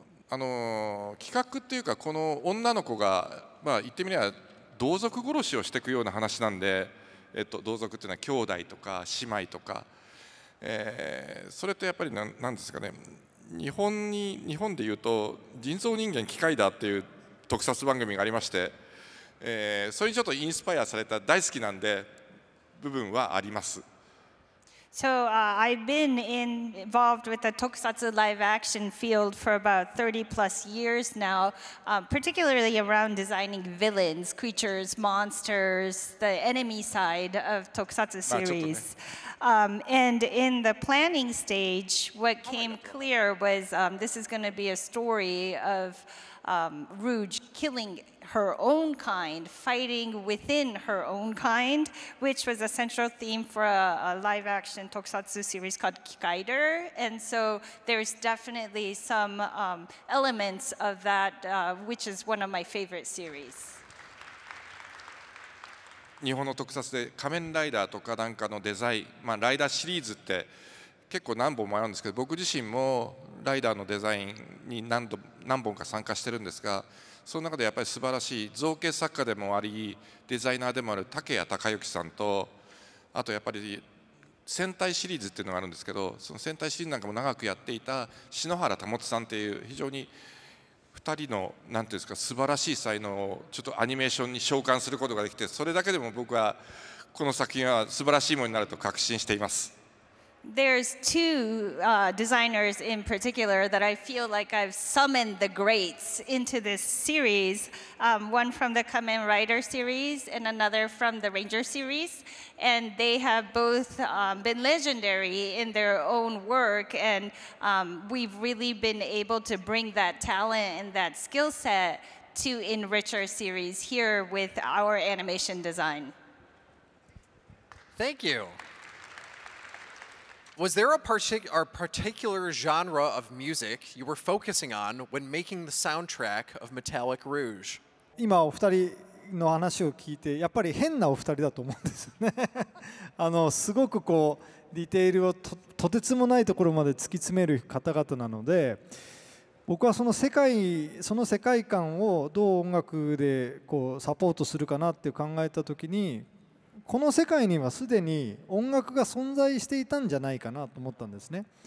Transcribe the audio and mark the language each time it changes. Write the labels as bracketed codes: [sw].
[ja] 企画っていうかこの女の子が、まあ、言ってみれば同族殺しをしていくような話なんで、同族っていうのは兄弟とか姉妹とか、それってやっぱり何ですかね、日本で言うと人造人間機械だっていう特撮番組がありまして、それにちょっとインスパイアされた大好きなんで部分はあります。 [en] So I've been involved with the tokusatsu live action field for about 30 plus years now, particularly around designing villains, creatures, monsters, the enemy side of tokusatsu series. And in the planning stage, what came clear was this is going to be a story of Rouge killing her own kind, fighting within her own kind, which was a central theme for a live-action tokusatsu series called Kikaider. And so there's definitely some elements of that, which is one of my favorite series. [ja] 日本の特撮で仮面ライダーとかなんかのデザイン、まあ、ライダーシリーズって結構何本もあるんですけど、僕自身もライダーのデザインに何本か参加してるんですが、その中でやっぱり素晴らしい造形作家でもありデザイナーでもある竹谷隆之さんと、あとやっぱり戦隊シリーズっていうのがあるんですけど、その戦隊シリーズなんかも長くやっていた篠原保さんっていう非常に 2人のなんていうんですか素晴らしい才能をちょっとアニメーションに召喚することができて、それだけでも僕はこの作品は素晴らしいものになると確信しています。 [en] There's two designers in particular that I feel like I've summoned the greats into this series, one from the Kamen Rider series and another from the Ranger series. And they have both been legendary in their own work, and we've really been able to bring that talent and that skill set to enrich our series here with our animation design. Thank you. Was there a particular genre of music you were focusing on when making the soundtrack of Metallic Rouge? [ja] 今お二人の話を聞いて、やっぱり変なお二人だと思うんですよね。すごくこうディテールを とてつもないところまで突き詰める方々なので、僕はその世界観をどう音楽でこうサポートするかなって考えたときに、この世界にはすでに音楽が存在していたんじゃないかなと思ったんですね。